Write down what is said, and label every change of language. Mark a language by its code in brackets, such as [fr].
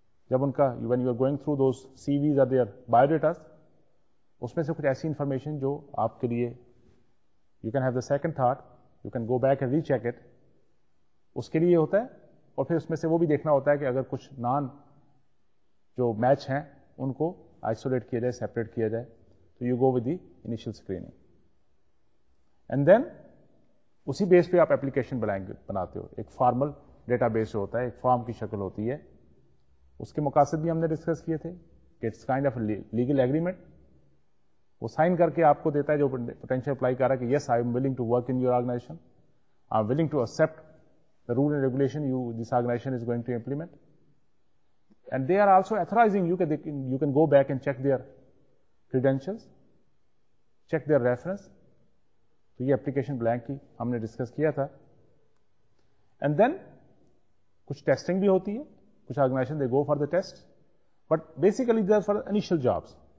[ur] جب ان کا [en] when you are going through those CVs or their bio data, [ur] اس میں سے کچھ ایسی انفارمیشن جو آپ کے لیے [en] you can have the second thought, you can go back and recheck it, [ur] اس کے لیے ہوتا ہے. اور پھر اس میں سے وہ بھی دیکھنا ہوتا ہے کہ اگر کچھ نان جو میچ ہیں ان کو آئسولیٹ کیا جائے, سیپریٹ کیا جائے, تو [en] You go with the initial screening. [ur] And then اسی بیس پہ آپ اپلیکیشن بناتے ہو. ایک فارمل ڈیٹا بیس جو ہوتا ہے, ایک فارم کی شکل ہوتی ہے, اس کے مقاصد بھی ہم نے ڈسکس کیے تھے کہ [en] It's kind of legal agreement. [ur] وہ سائن کر کے آپ کو دیتا ہے جو پوٹینشیل اپلائی کر رہا ہے کہ [en] Yes I am willing to work in your organization, I am willing to accept the role and regulation you this organization is going to implement. And they are also authorizing you, you can go back and check their credentials, check their reference. So, this application blank we had discussed. And then, some testing also happens. Some organizations, they go for the test. But basically, they are for initial jobs.